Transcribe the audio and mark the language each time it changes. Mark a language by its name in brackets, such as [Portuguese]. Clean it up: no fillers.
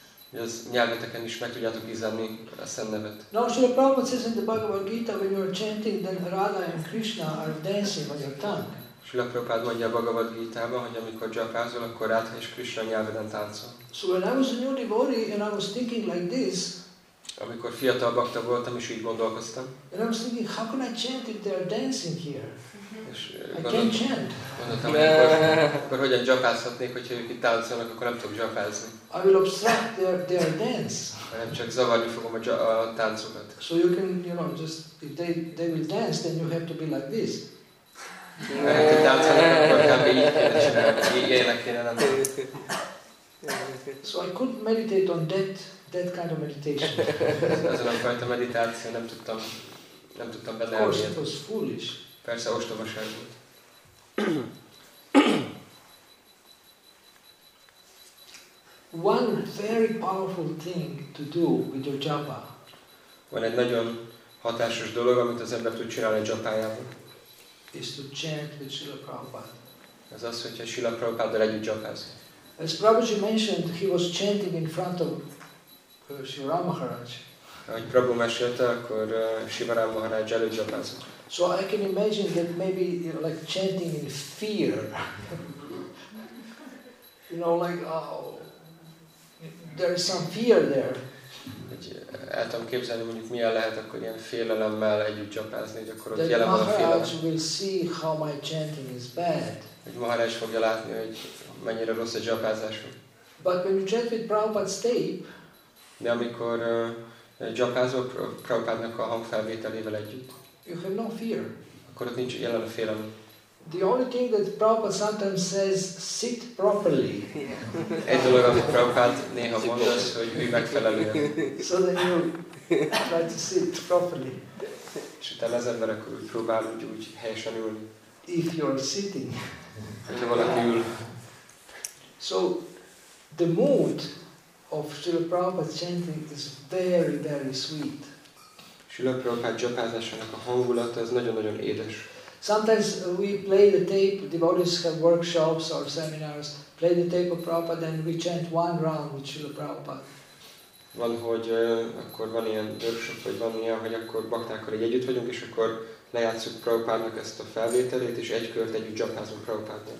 [Hungarian] Hogy az nyelveteken is meg tudjátok ízelni a Szent Nevet. [English] Now Srila Prabhupada says in the Bhagavad Gita, when you are chanting, then Radha and Krishna are dancing on your tongue. [Hungarian] Srila Prabhupada mondja a Bhagavad Gita-ban, hogy amikor japázol, akkor Radha és Krishna nyelveden táncol. [English] So when I was a new devotee and I was thinking like this, [Hungarian] amikor fiatal bhakta voltam és így gondolkoztam, [English] and I was thinking, how can I chant if they are dancing here? [Hungarian] Gondoltam, akkor hogyan japázhatnék, hogyha ők itt táncolnak, akkor nem tudok japázni. [English] I will obstruct their dance. [Hungarian] Nem csak zavarni fogom a táncokat. [English] So you can, you know, just if they will dance, then you have to be like this. [Hungarian] Ha ők itt táncolnak, akkor kb. Így kéne csinálni. [English] So I couldn't meditate on that kind of meditation. [Hungarian] Ezen a fajta meditáció nem tudtam benne [English] elmélni. Of course it was foolish. [Hungarian] Persze ostobaság volt. [English] One very powerful thing to do with your japa. [Hungarian] Van egy nagyon hatásos dolog, amit az ember tud csinálni a japájában. [English] Is to chant with Srila Prabhupada. [Hungarian] Ez az, hogyha Srila Prabhupáddal együtt japáz. [English] As Prabhuji mentioned, he was chanting in front of Shiva Maharaj. [Hungarian] Ahogy Prabhu mesélte, akkor Shiva Maharaj előtt japázott. [English] So I can imagine that maybe like chanting in fear. You know, like there is some fear there. [Hungarian] El tudom képzelni, mondjuk milyen lehet akkor ilyen félelemmel együtt japázni, hogy akkor ott jelen van a félelem. [English] Maharaj will see how my chanting is bad. [Hungarian] Hogy Maharaj fogja látni, hogy mennyire rossz a japázásom. [English] But when you chant with Prabhupada's tape. [Hungarian] De amikor japázok Prabhupádnak a hangfelvételével együtt. [English] you have no fear. [Hungarian] Akkor ott nincs jelen a félelem. [English] The only thing that Prabhupada sometimes says, sit properly. [Hungarian] Egy dolog, amit Prabhupada néha mond, az, hogy ülj megfelelően. [English] So then you try to sit properly. [Hungarian] És utána az ember akkor úgy próbál úgy helyesen ülni. [English] If you're sitting. [Hungarian] Hogyha valaki ül. [English] So, the mood of Srila Prabhupada chanting is very, very sweet. [Hungarian] Srila Prabhupada japázásának a hangulata az nagyon-nagyon édes. [English] Sometimes we play the tape, devotees have workshops or seminars, play the tape of Prabhupada and we chant one round with Srila Prabhupada. [Hungarian] Van, hogy akkor van ilyen workshop, vagy van ilyen, hogy akkor baktákkal együtt vagyunk, és akkor lejátszuk Prabhupádnak ezt a felvételét, és egy kört együtt japázunk Prabhupádnak.